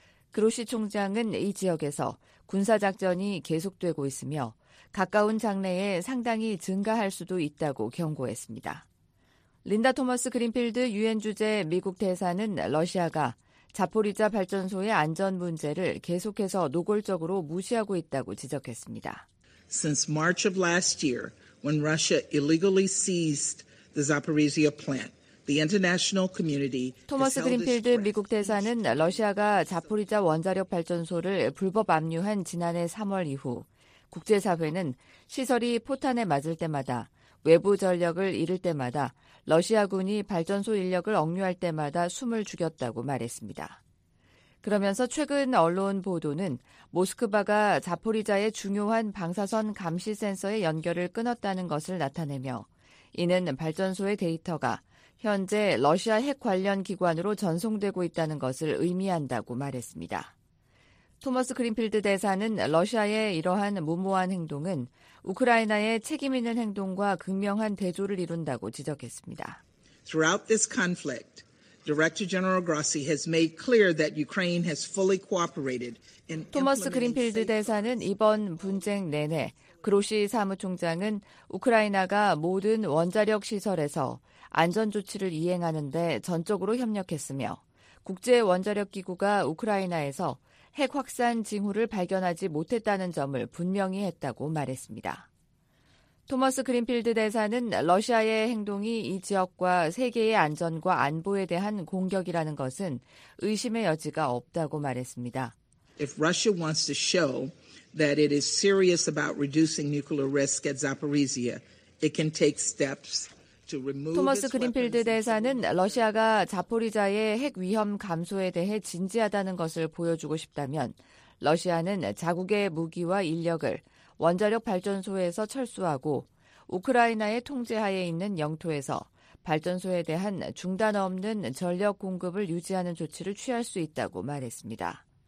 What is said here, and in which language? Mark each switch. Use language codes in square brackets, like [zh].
[ko] 그로시 총장은 이 지역에서 군사작전이 계속되고 있으며 가까운 장래에 상당히 증가할 수도 있다고 경고했습니다. 린다 토머스 그린필드 유엔 주재 미국 대사는 러시아가 자포리자 발전소의 안전 문제를 계속해서 노골적으로 무시하고 있다고 지적했습니다. [en] Since March of last year, when Russia illegally seized the Zaporizhia plant, the international community. [ko] 토머스 그린필드 미국 대사는 러시아가 자포리자 원자력 발전소를 불법 압류한 지난해 3월 이후 국제사회는 시설이 포탄에 맞을 때마다 외부 전력을 잃을 때마다 러시아군이 발전소 인력을 억류할 때마다 숨을 죽였다고 말했습니다. 그러면서 최근 언론 보도는 모스크바가 자포리자의 중요한 방사선 감시 센서의 연결을 끊었다는 것을 나타내며 이는 발전소의 데이터가 현재 러시아 핵 관련 기관으로 전송되고 있다는 것을 의미한다고 말했습니다. 토머스 그린필드 대사는 러시아의 이러한 무모한 행동은 우크라이나의 책임 있는 행동과 극명한 대조를 이룬다고 지적했습니다. [en] Throughout this conflict, Director General Grassi has made clear that Ukraine has fully cooperated in. [ko] 토머스 그린필드 대사는 이번 분쟁 내내 그로시 사무총장은 우크라이나가 모든 원자력 시설에서 안전 조치를 이행하는 데 전적으로 협력했으며 국제 원자력 기구가 우크라이나에서 핵 확산 징후를 발견하지 못했다는 점을 분명히 했다고 말했습니다. 토머스 그린필드 대사는 러시아의 행동이 이 지역과 세계의 안전과 안보에 대한 공격이라는 것은 의심의 여지가 없다고 말했습니다. [en] If Russia wants to show that it is serious about reducing nuclear risk at Zaporizhia, it can take steps. [ko] 토머스 그린필드 대사는 러시아가 자포리자의 핵 위험 감소에 대해 진지하다는 것을 보여주고 싶다면 러시아는 자국의 무기와 인력을 원자력 발전소에서 철수하고 우크라이나의 통제하에 있는 영토에서 발전소에 대한 중단 없는 전력 공급을 유지하는 조치를 취할 수 있다고 말했습니다.